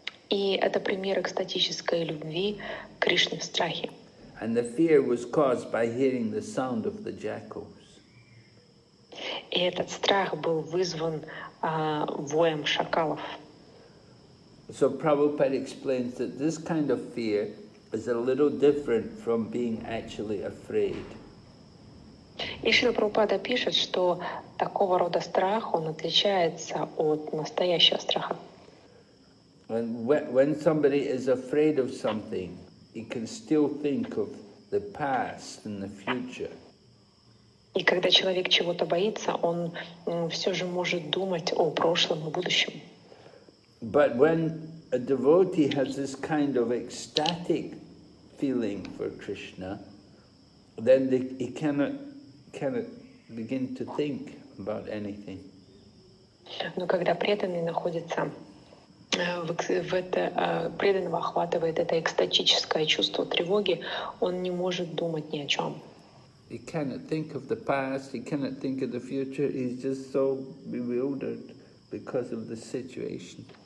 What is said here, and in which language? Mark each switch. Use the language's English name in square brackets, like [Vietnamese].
[Russian] И это пример экстатической любви Кришны в страхе. [English] And the fear was caused by hearing the sound of the jackals. [Russian] И этот страх был вызван воем шакалов. [English] So Prabhupada explains that this kind of fear is a little different from being actually afraid. [Russian] И Шрила Прабхупада пишет, что такого рода страх, он отличается от настоящего страха. [English] When somebody is afraid of something, he can still think of the past and the future. [Russian] И когда человек чего-то боится, он все же может думать о прошлом и будущем. [English] But when a devotee has this kind of ecstatic feeling for Krishna, then he cannot begin to think about anything. [Russian] Но когда преданный находится преданного охватывает это экстатическое чувство тревоги, он не может думать ни о чем. [English] He cannot think of the past, he cannot think of the future, he's just so bewildered because of the situation.